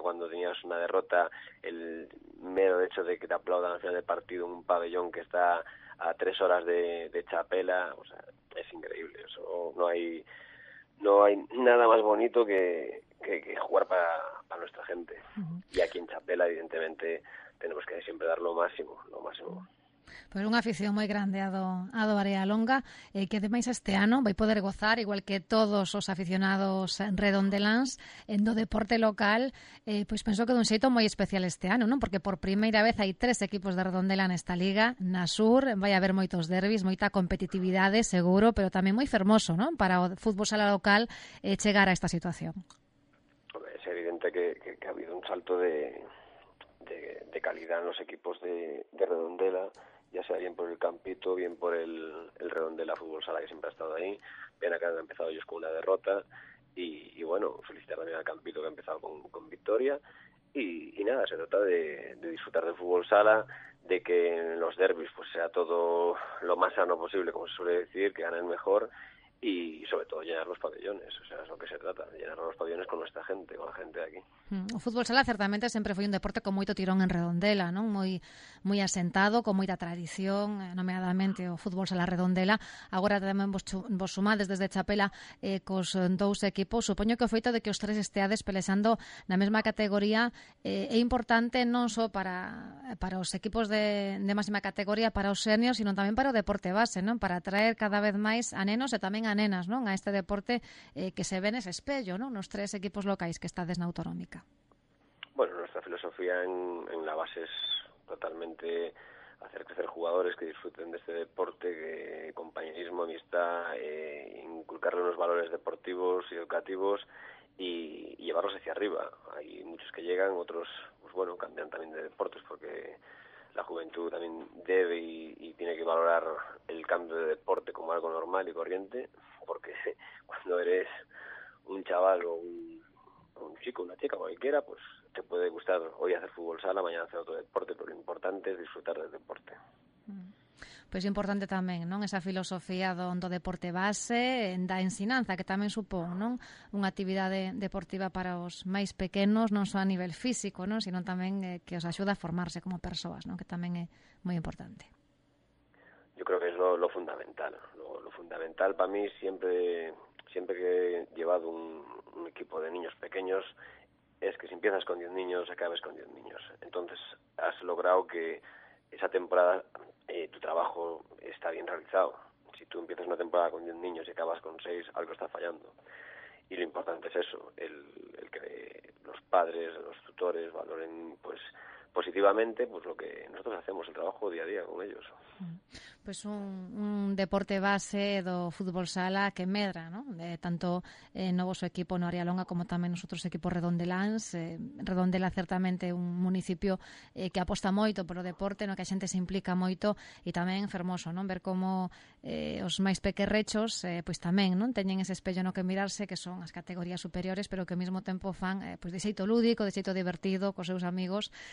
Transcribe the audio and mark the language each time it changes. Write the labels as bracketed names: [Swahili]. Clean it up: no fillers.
[Spanish] Cuando tenías una derrota, el mero hecho de que te aplaudan al final del partido en un pabellón que está a 3 horas de Chapela, o sea, es increíble. Eso, no hay nada más bonito que jugar para nuestra gente. Uh-huh. Y aquí en Chapela, evidentemente, tenemos que siempre dar lo máximo. [Galician] Pois unha afición moi grande a do Arealonga, que ademais este ano vai poder gozar, igual que todos os aficionados redondelans, en do deporte local, pois penso que dun xeito moi especial este ano, non? Porque por primeira vez hai 3 equipos de redondela nesta liga, na sur, vai haber moitos derbis, moita competitividade, seguro, pero tamén moi fermoso, non? Para o fútbol sala local chegar a esta situación. [Spanish] É evidente que ha habido un salto de calidad en los equipos de Redondela, ya sea bien por el campito, bien por el Redondela Fútbol Sala, que siempre ha estado ahí. Bien, acá han empezado ellos con una derrota y bueno, felicitar también al campito, que ha empezado con victoria, y nada, se trata de disfrutar del fútbol sala, de que en los derbis pues sea todo lo más sano posible, como se suele decir, que ganen mejor, y sobre todo llenar los pabellones. O sea, es lo que se trata, llenar los pabellones con nuestra gente, con la gente de aquí. [Galician] O fútbol sala certamente sempre foi un deporte con moito tirón en Redondela, non? Moi moi asentado, con moita tradición, nomeadamente o fútbol sala Redondela. Agora tamén vos sumades desde Chapela cos 2 equipos. Supoño que o feito de que os 3 esteades pelexando na mesma categoría é importante non só para os equipos de máxima categoría, para os senios, sino tamén para o deporte base, non? Para atraer cada vez máis a nenos e tamén a nenas, non? A este deporte que se ven ese espello, non? Nos 3 equipos locais que estades na autonómica. [Spanish] Bueno, nuestra filosofía en la base es totalmente hacer crecer jugadores que disfruten de este deporte, que compañerismo, amistad, inculcarle unos valores deportivos y educativos y llevarlos hacia arriba. Hay muchos que llegan, otros, pues bueno, cambian también de deportes, porque la juventud también debe y tiene que valorar el cambio de deporte como algo normal y corriente, porque cuando eres un chaval o un chico, una chica, cualquiera, pues te puede gustar hoy hacer fútbol sala, mañana hacer otro deporte, pero lo importante es disfrutar del deporte. [Galician] Pues importante tamén, non? Esa filosofía do deporte base, da ensinanza, que tamén supón, non? Unha actividade deportiva para os máis pequenos, non só a nivel físico, non? Sino tamén que os axuda a formarse como persoas, non? Que tamén é moi importante. [Spanish] Yo creo que es lo fundamental. Lo fundamental para mí siempre que he llevado un equipo de niños pequeños, es que si empiezas con 10 niños, acabes con 10 niños. Entonces, has logrado que esa temporada tu trabajo está bien realizado. Si tú empiezas una temporada con 10 niños y acabas con 6, algo está fallando. Y lo importante es eso, el que los padres, los tutores valoren pues positivamente pues lo que nosotros hacemos, el trabajo día a día con ellos. [Galician] Pues un deporte base do fútbol sala que medra, ¿no? Tanto no vosso equipo no Arealonga como tamén nos outros equipos redondelans. Redondela certamente un municipio que aposta moito polo deporte, no que a xente se implica moito, e tamén fermoso, ¿no? Ver como os máis pequerrechos pues tamén, ¿no? Teñen ese espello no que mirarse, que son as categorías superiores, pero que ao mesmo tempo fan pues de xeito lúdico, de xeito divertido, cos seus amigos.